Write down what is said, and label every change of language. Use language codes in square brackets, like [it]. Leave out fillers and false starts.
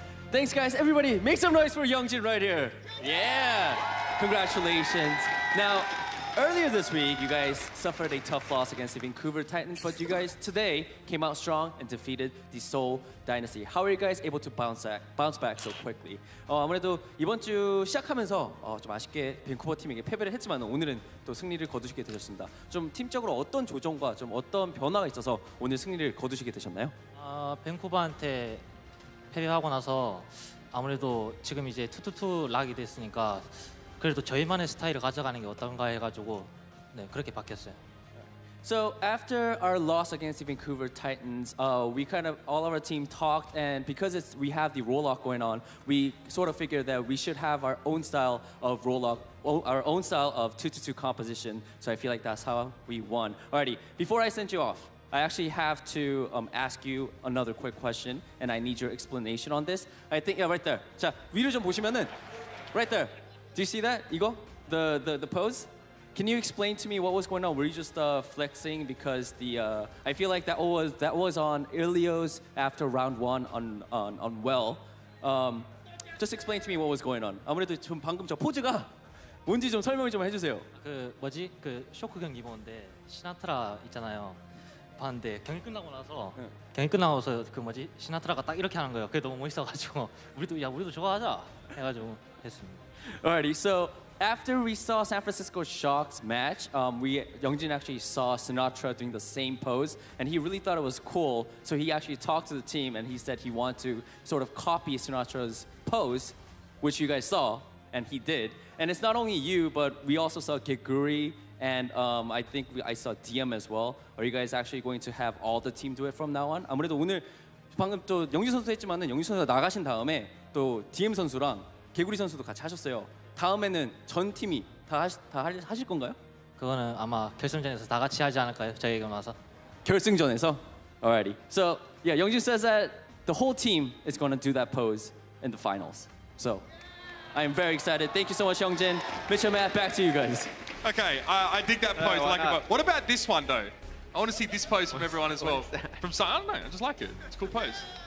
[en] Thanks, guys. Everybody, make some noise for Youngjin right here. Yeah. Congratulations. Now, earlier this week, you guys suffered a tough loss against the Vancouver Titans, but you guys today came out strong and defeated the Seoul Dynasty. How are you guys able to bounce back so quickly? [ko] 아무래도 이번 주 시작하면서 좀 아쉽게 밴쿠버 팀에게 패배를 했지만 오늘은 또 승리를 거두시게 되셨습니다. 좀 팀적으로 어떤 조정과 좀 어떤 변화가 있어서 오늘 승리를 거두시게 되셨나요? 밴쿠버한테 패배하고 나서 아무래도 지금 이제 2-2 락이 됐으니까 그래도 저희만의 스타일을 가져가는 게 어떤가 해가지고 네 그렇게 바뀌었어요. [en] So after our loss against the Vancouver Titans, we kind of all of our team talked, and because it's we have the roll-off going on, we sort of figured that we should have our own style of roll-off, our own style of 2-2 composition. So I feel like that's how we won. Alrighty, before I send you off, I actually have to ask you another quick question, and I need your explanation on this. I think yeah, right there. [ko] 자 위로 좀 보시면은 [en] right there. Do you see that, Eagle? The pose? Can you explain to me what was going on? Were you just flexing because the... I feel like that was on Ilio's after round one on Well. Just explain to me what was going on. [ko] 아무래도 좀 방금 저 포즈가 뭔지 좀 설명을 좀 해주세요. 그 뭐지? 그 쇼크 경기 보는데 시나트라 있잖아요. 봤는데 경기 끝나고 나서 응. 경기 끝나고서 그 뭐지? 시나트라가 딱 이렇게 하는 거예요. 그게 너무 멋있어가지고 우리도 저거 하자 해가지고 했습니다. [en] Alrighty, so after we saw San Francisco Shock's match, Youngjin actually saw Sinatra doing the same pose, and he really thought it was cool, so he actually talked to the team, and he said he wanted to sort of copy Sinatra's pose, which you guys saw, and he did. And it's not only you, but we also saw Giguri, and I think I saw Diem as well. Are you guys actually going to have all the team do it from now on? [ko] 아무래도 오늘 방금 또 영진 선수 했지만은 영진 선수가 나가신 다음에 또 Diem 선수랑 개구리 선수도 같이 하셨어요. 다음에는 전 팀이 다 하실 건가요? 그거는 아마 결승전에서 다 같이 하지 않을까요? 저희가 와서. 결승전에서? Alrighty. [en] So, yeah, Youngjin says that the whole team is going to do that pose in the finals. So, I am very excited. Thank you so much, Youngjin. Mitch and Matt, back to you guys. Okay, I dig that pose. Like it, what about this one, though? I want to see this pose from everyone as well. From some, I don't know, I just like it. It's a cool pose.